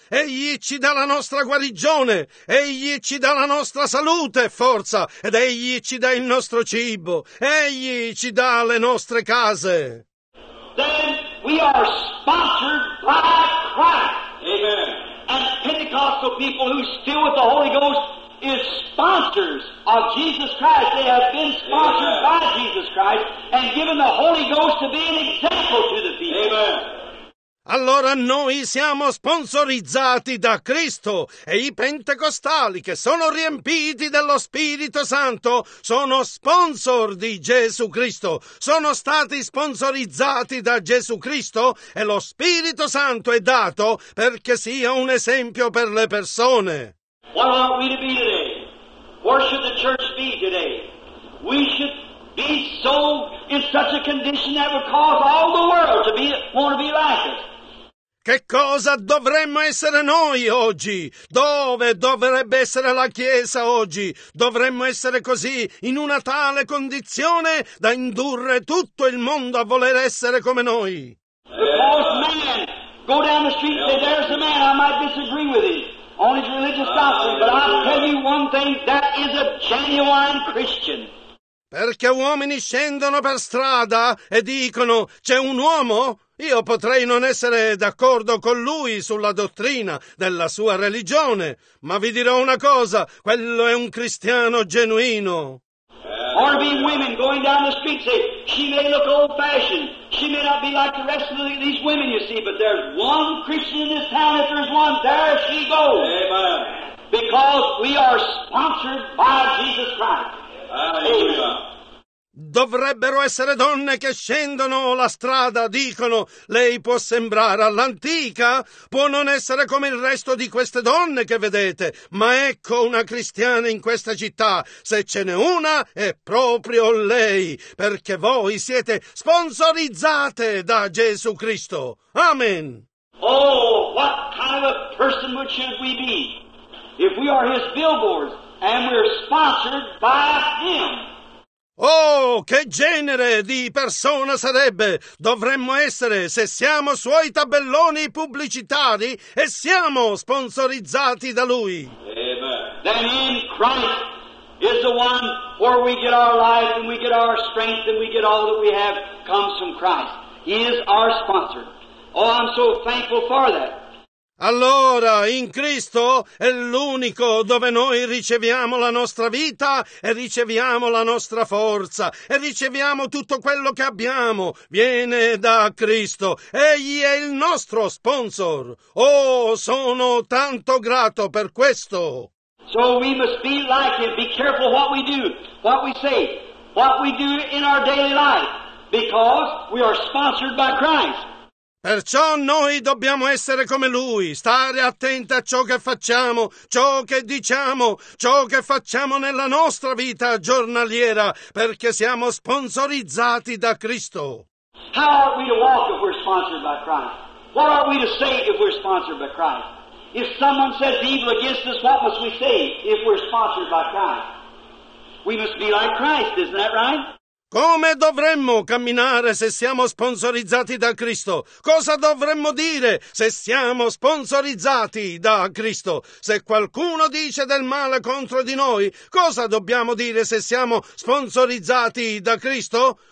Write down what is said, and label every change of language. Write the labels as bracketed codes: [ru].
[it] Egli ci dà la nostra guarigione. Egli ci dà la nostra salute e forza. Ed Egli ci dà il nostro cibo. Egli ci dà le nostre case. [en] Then we are sponsored by Christ. Amen. And Pentecostal people who still with the Holy Ghost is sponsors of Jesus Christ. They have been sponsored Amen. By Jesus Christ and given the Holy Ghost to be an example to the people. Amen. [it] Allora noi siamo sponsorizzati da Cristo e i pentecostali che sono riempiti dello Spirito Santo sono sponsor di Gesù Cristo. Sono stati sponsorizzati da Gesù Cristo e lo Spirito Santo è dato perché sia un esempio per le persone. [en] What ought we to be today? Where should the church be today? We should be so in such a condition that would cause all the world to want to be like us. [it] Che cosa dovremmo essere noi oggi? Dove dovrebbe essere la Chiesa oggi? Dovremmo essere così, in una tale condizione, da indurre tutto il mondo a voler essere come noi. [en] Because man, go down the street and say, there's a man, I might disagree with him on his religious doctrine, but I'll tell you one thing, that is a genuine Christian. [it] Perché uomini scendono per strada e dicono, c'è un uomo? Io potrei non essere d'accordo con lui sulla dottrina della sua religione, ma vi dirò una cosa, quello è un cristiano genuino. [en] RV women going down the street say, she may look old fashioned, she may not be like the rest of these women you see, but there's one Christian in this town, if there's one, there she goes. Amen. Because we are sponsored by Jesus Christ. Amen. [it] Dovrebbero essere donne che scendono la strada, dicono, lei può sembrare all'antica, può non essere come il resto di queste donne che vedete, ma ecco una cristiana in questa città, se ce n'è una è proprio lei, perché voi siete sponsorizzate da Gesù Cristo. Amen. [en] Oh, what kind of person should we be if we are his billboards and we're sponsored by him? [it] Oh, che genere di persona sarebbe? Dovremmo essere, se siamo suoi tabelloni pubblicitari e siamo sponsorizzati da lui. Amen. [en] Then in Christ is the one where we get our life and we get our strength and we get all that we have comes from Christ. He is our sponsor. Oh, I'm so thankful for that. [it] Allora, in Cristo è l'unico dove noi riceviamo la nostra vita e riceviamo la nostra forza e riceviamo tutto quello che abbiamo. Viene da Cristo. Egli è il nostro sponsor. Oh, sono tanto grato per questo. [en] So we must be like him. Be careful what we do, what we say, what we do in our daily life, because we are sponsored by Christ. [it] Perciò noi dobbiamo essere come Lui, stare attenti a ciò che facciamo, ciò che diciamo, ciò che facciamo nella nostra vita giornaliera, perché siamo sponsorizzati da Cristo. [en] How are we to walk if we're sponsored by Christ? What are we to say if we're sponsored by Christ? If someone says evil against us, what must we say if we're sponsored by Christ? We must be like Christ, isn't that right? [it] Come dovremmo camminare se siamo sponsorizzati da Cristo? Cosa dovremmo dire se siamo sponsorizzati da Cristo? Se qualcuno dice del male contro di noi, cosa dobbiamo dire se siamo sponsorizzati da Cristo?